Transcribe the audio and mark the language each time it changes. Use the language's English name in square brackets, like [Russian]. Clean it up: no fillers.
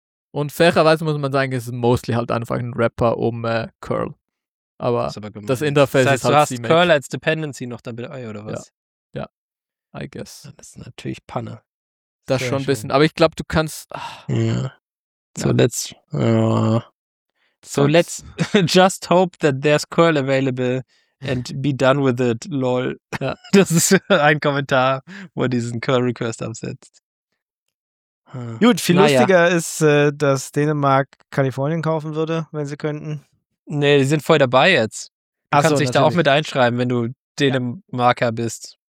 [German] Und fairerweise muss man sagen, es ist mostly halt einfach ein Wrapper um Curl. Aber das Interface das heißt, ist halt du hast Curl als Dependency noch dann mit Ei oder was? Ja. Ja. [English] I guess. [German] Das ist natürlich Panne. Das sehr schon ein bisschen. Schön. Aber ich glaube, du kannst. Ja. Zuletzt. Ja. [English] So let's just hope that there's Curl available and be done with it, lol. [German] Ja. Das ist ein Kommentar, wo diesen Curl-Request absetzt. Hm. Gut, viel lustiger ist, dass Dänemark Kalifornien kaufen würde, wenn sie könnten. Nee, die sind voll dabei jetzt. Du kannst dich natürlich da auch mit einschreiben, wenn du Dänemarker bist.